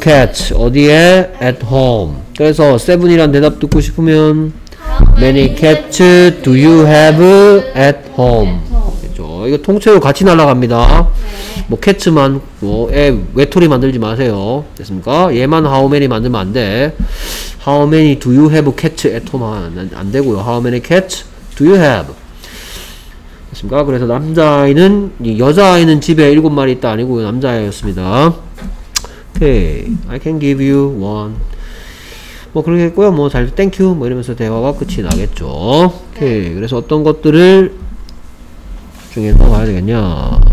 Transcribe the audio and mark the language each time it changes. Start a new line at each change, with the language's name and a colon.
English: cats. 어디에? At home.
Korean: 그래서 seven이란 대답 듣고 싶으면
English: many cats do you have at home?
Korean: 이거 통째로 같이 날아갑니다. 네. 뭐 캣츠만 뭐 애 외톨이 만들지 마세요. 됐습니까? 얘만 how many 만들면 안 돼.
English: How many do you have cats at home?
Korean: 안 되고요.
English: How many cats do you have?
Korean: 됐습니까? 그래서 남자아이는 여자아이는 집에 7마리 있다 아니고요. 남자아이였습니다. 오케이.
English: I can give you one.
Korean: 뭐 그렇게 했고요. 뭐 잘 땡큐 뭐 이러면서 대화가 끝이 나겠죠. 오케이. 네. 그래서 어떤 것들을 중에 또 봐야 되겠냐.